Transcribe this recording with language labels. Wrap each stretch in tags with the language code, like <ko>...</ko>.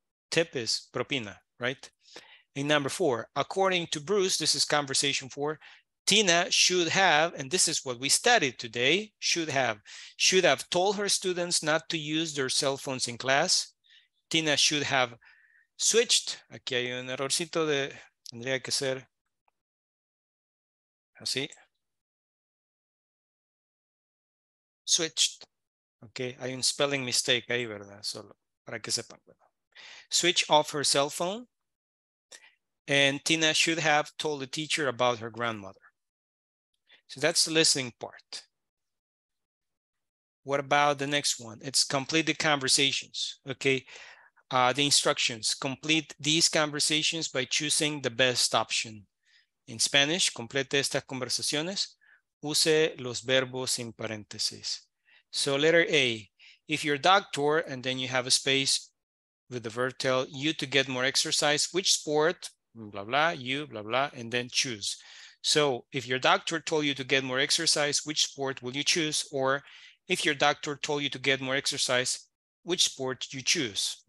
<en>Tip is propina, right? And number four, according to Bruce, this is conversation four, Tina should have, and this is what we studied today, should have told her students not to use their cell phones in class. Tina should have switched.</en> <es>Aquí hay un errorcito de, tendría que ser. Así. Switched. Okay, hay un spelling mistake ahí, ¿verdad? Solo para que sepan. Bueno.</es> <en>Switch off her cell phone. And Tina should have told the teacher about her grandmother. So that's the listening part. What about the next one? It's complete the conversations. Okay, the instructions. Complete these conversations by choosing the best option. In Spanish,</en> <es>complete estas conversaciones, use los verbos en paréntesis.</es> <en>So letter A, if your doctor, and then you have a space with the verb tell you to get more exercise, which sport, blah, blah, you, blah, blah, and then choose. So if your doctor told you to get more exercise, which sport will you choose? Or if your doctor told you to get more exercise, which sport you choose?</en>